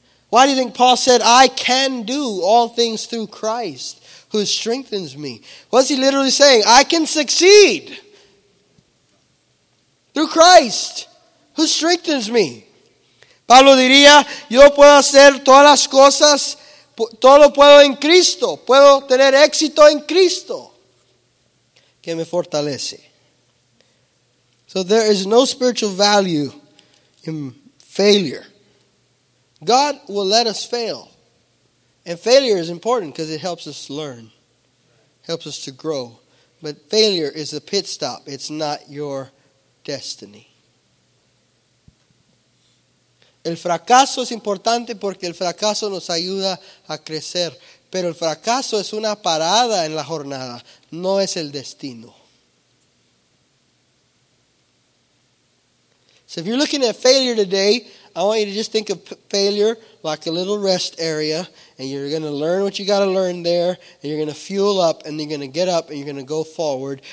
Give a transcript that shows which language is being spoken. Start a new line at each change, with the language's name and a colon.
English: Why do you think Paul said, I can do all things through Christ who strengthens me? What's he literally saying? I can succeed through Christ who strengthens me.
Spanish: Pablo diría, yo puedo hacer todas las cosas, todo lo puedo en Cristo. Puedo tener éxito en Cristo, que me fortalece.
English: So there is no spiritual value in failure. God will let us fail. And failure is important because it helps us learn, helps us to grow. But failure is a pit stop. It's not your destiny.
Spanish: El fracaso es importante porque el fracaso nos ayuda a crecer. Pero el fracaso es una parada en la jornada, no es el destino.
English: So if you're looking at failure today, I want you to just think of failure like a little rest area. And you're going to learn what you got to learn there. And you're going to fuel up and you're going to get up and you're going to go forward.